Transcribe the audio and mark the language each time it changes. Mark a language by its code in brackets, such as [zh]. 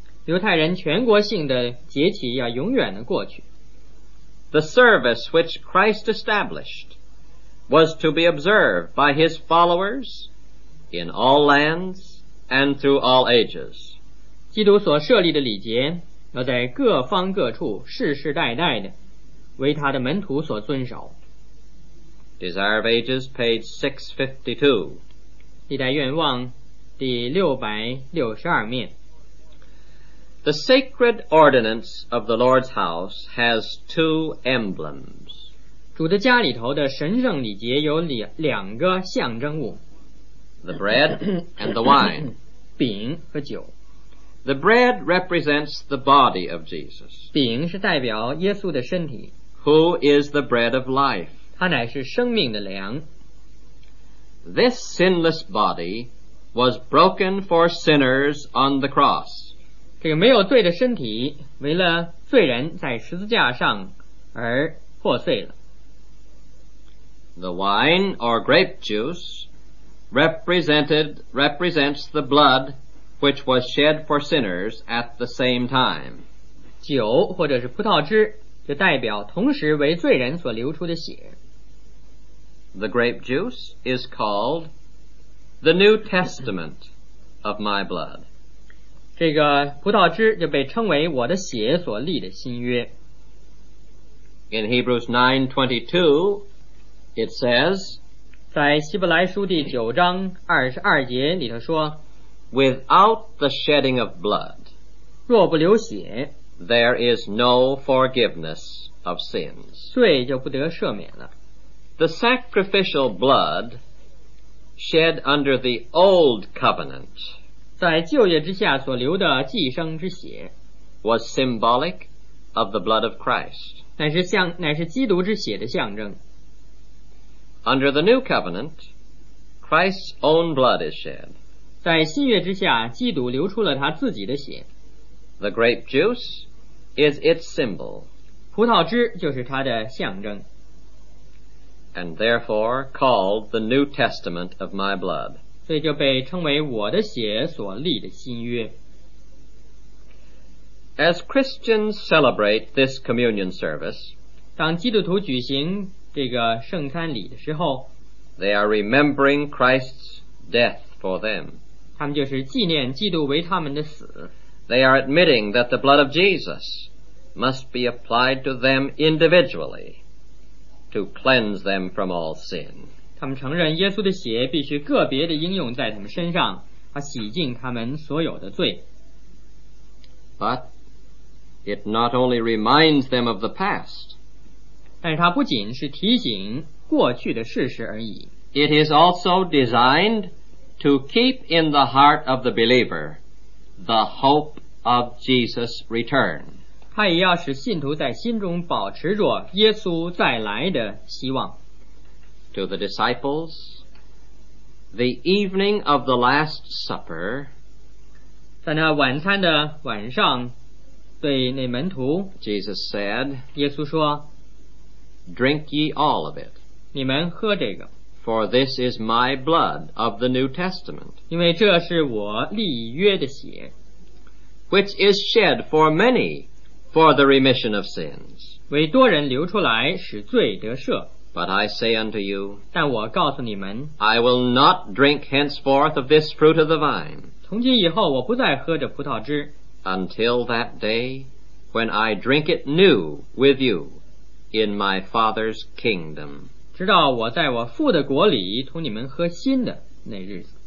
[zh] 犹太人全国性的节期要永远的过去。 [en] The service which Christ established was to be observed by his followers in all lands and through all ages. [zh] 基督所设立的礼节要在各方各处世世代代的为他的门徒所遵守。 [en] Desire of Ages, page 652. [zh] 历代愿望第662面。 [en] The sacred ordinance of the Lord's house has two emblems. [zh] 主的家里头的神圣礼节有两个象征物 [en] The bread and the wine [zh] 饼和酒 [en] The bread represents the body of Jesus [zh] 饼是代表耶稣的身体 [en] Who is the bread of life [zh] 他乃是生命的粮 [en] This sinless body was broken for sinners on the cross [zh] 这个没有罪的身体为了罪人在十字架上而破碎了 [en] The wine or grape juice represents the blood which was shed for sinners at the same time. [zh] 酒或者是葡萄汁就代表同时为罪人所流出的血。 [en] The grape juice is called the New Testament of my blood. [zh] 这个葡萄汁就被称为我的血所立的新约。 [en] In Hebrews 9:22,It says, [zh] 在希伯来书第九章二十二节里头说 [en] Without the shedding of blood, [zh] 若不流血 [en] there is no forgiveness of sins. [zh] 罪就不得赦免了。 [en] The sacrificial blood shed under the old covenant, [zh] 在旧约之下所流的祭牲之血 [en] was symbolic of the blood of Christ. [zh] 乃是基督之血的象征。 [en] Under the new covenant, Christ's own blood is shed. [zh] 在新约之下，基督流出了他自己的血。 [en] The grape juice is its symbol. [zh] 葡萄汁就是它的象征。 [en] And therefore called the New Testament of my blood. [zh] 所以就被称为我的血所立的新约。 [en] As Christians celebrate this communion service, [zh] 当基督徒举行这个圣餐礼的时候 [en] They are remembering Christ's death for them. [zh] 他们就是纪念基督为他们的死。 [en] They are admitting that the blood of Jesus must be applied to them individually to cleanse them from all sin. [zh] 他们承认耶稣的血必须个别的应用在他们身上，他洗净他们所有的罪。 [en] But it not only reminds them of the past, [zh] 但是它不仅是提醒过去的事实而已。 [en] It is also designed to keep in the heart of the believer the hope of Jesus' return. [zh] 它也要使信徒在心中保持着耶稣再来的希望。 [en] To the disciples, the evening of the Last Supper, [zh] 在那晚餐的晚上，对那门徒 [en] ，Jesus said, [zh] 耶稣说。 [en] Drink ye all of it. [zh] 你们喝这个。 [en] For this is my blood of the New Testament. [zh] 因为这是我立约的血。 [en] Which is shed for many for the remission of sins. [zh] 为多人流出来，使罪得赦。 [en] But I say unto you, [zh] 但我告诉你们, [en] I will not drink henceforth of this fruit of the vine, [zh] 从今以后我不再喝着葡萄汁, [en] until that day when I drink it new with you in my Father's kingdom. [zh] 直到我在我父的国里同你们喝新的那日子。